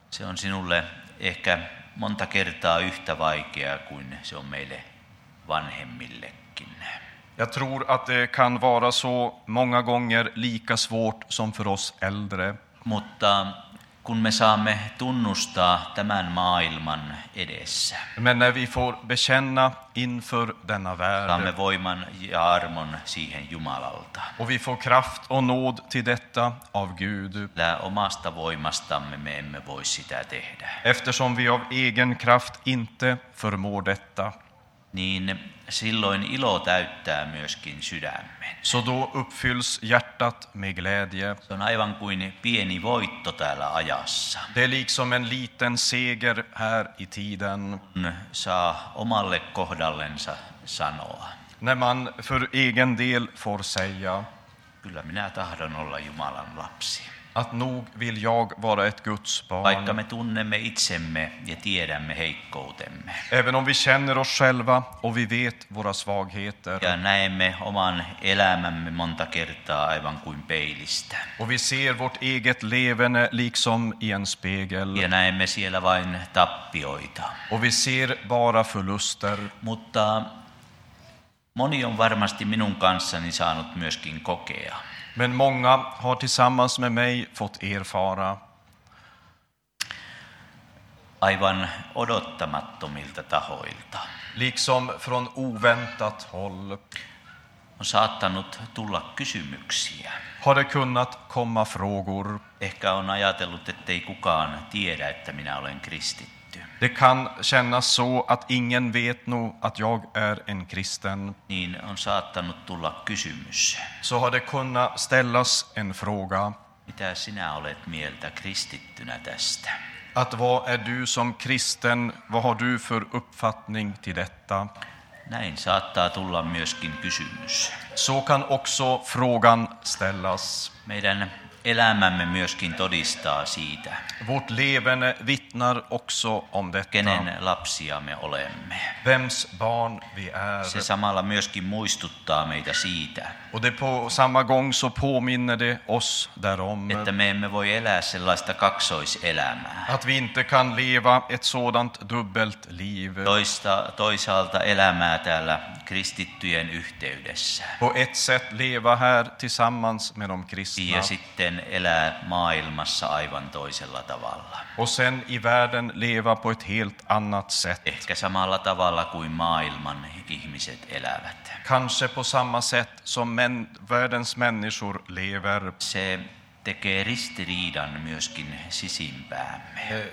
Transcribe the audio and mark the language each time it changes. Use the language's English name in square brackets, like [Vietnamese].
[Finnish] Se on sinulle ehkä monta kertaa yhtä vaikeaa kuin se on meille vanhemmillekin. [Swedish] Jag tror att det kan vara så många gånger lika svårt som för oss äldre. [Finnish] Mutta kun me saamme tunnustaa tämän maailman edessä. [Swedish] Men när vi får bekänna inför denna värld. [Finnish] Saamme voiman ja armon siihen Jumalalta. [Swedish] Och vi får kraft och nåd till detta av Gud. [Finnish] Lää omasta voimastamme me emme voi sitä tehdä. [Swedish] Eftersom vi av egen kraft inte förmår detta. [Finnish] Niin silloin ilo täyttää myöskin sydämen. [Swedish] Så då uppfylls hjärtat med glädje. [Finnish] Se on aivan kuin pieni voitto täällä ajassa. [Swedish] Det är liksom en liten seger här i tiden. [Finnish] Saa omalle kohdallensa sanoa. [Swedish] När man för egen del får säga. [Finnish] Kyllä minä tahdon olla Jumalan lapsi. [Swedish] Att nog vill jag vara ett Guds barn. [Finnish] Vaikka me tunnemme itsemme ja tiedämme heikkoutemme. [Swedish] Även om vi känner oss själva och vi vet våra svagheter. [Finnish] Ja näemme oman elämämme monta kertaa aivan kuin peilistä. [Swedish] Och vi ser vårt eget levende liksom i en spegel. [Finnish] Ja näemme siellä vain tappioita. [Swedish] Och vi ser bara förluster. [Finnish] Mutta moni on varmasti minun kanssani saanut myöskin kokea. [Swedish] Men många har tillsammans med mig fått erfara. [Finnish] Aivan odottamattomilta tahoilta. [Swedish] Liksom från oväntat håll. [Finnish] On saattanut tulla kysymyksiä. [Swedish] Har det kunnat komma frågor? [Finnish] Ehkä on ajatellut, ettei kukaan tiedä, että minä olen kristitty. [Swedish] Det kan kännas så att ingen vet nog att jag är en kristen. [Finnish] Niin on saattanut tulla kysymys. [Swedish] Så har det kunnat ställas en fråga. [Finnish] Mitä sinä olet mieltä kristittynä tästä? [Swedish] Att vad är du som kristen? Vad har du för uppfattning till detta? [Finnish] Näin saattaa tulla myöskin kysymys. [Swedish] Så kan också frågan ställas. [Finnish] Meidän elämämme myöskin todistaa siitä. [Swedish] Vårt leven vittnar också om detta. [Finnish] Kenen lapsia me olemme. [Swedish] Vems barn vi är. [Finnish] Se samalla myöskin muistuttaa meitä siitä. [Swedish] Och det på samma gång så påminner det oss därom. [Finnish] Että me emme voi elää sellaista kaksoiselämää. [Swedish] Att vi inte kan leva ett sådant dubbelt liv. [Finnish] Toisaalta elämää täällä kristittyjen yhteydessä. [Swedish] På ett sätt leva här tillsammans med de kristna. [Finnish] Ja sitten sitten elää maailmassa aivan toisella tavalla. [Swedish] Och sen i världen leva på ett helt annat sätt. [Finnish] Ehkä samalla tavalla kuin maailman ihmiset elävät. [Swedish] Kanske på samma sätt som världens människor lever. [Finnish] Se tekee ristiriidan myöskin sisimpäämme.